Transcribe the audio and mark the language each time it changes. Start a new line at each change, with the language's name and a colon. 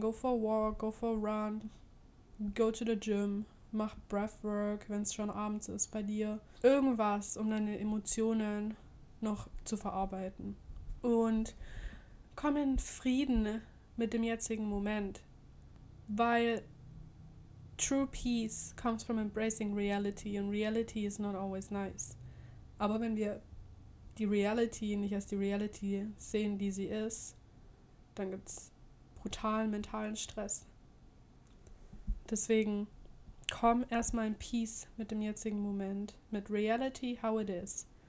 English: Go for a walk, go for a run. Go to the gym,
German: mach Breathwork, wenn es schon abends ist bei dir. Irgendwas, um deine Emotionen noch zu verarbeiten. Und komm in Frieden mit dem jetzigen Moment.
English: Weil true peace comes from embracing reality and reality is not always nice.
German: Aber wenn wir die Reality nicht als die Reality sehen, die sie ist, dann gibt's brutalen mentalen Stress. Deswegen, komm erstmal in Peace mit dem jetzigen Moment, mit Reality,
English: how it is.